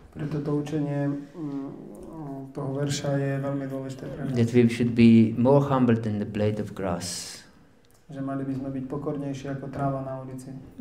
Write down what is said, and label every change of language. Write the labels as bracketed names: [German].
[Slovak] Preto to učenie toho verša je veľmi dôležité pre nás. [English] That we should be more humble than the blade of grass. [Slovak] Že mali by sme byť pokornejší ako tráva na ulici.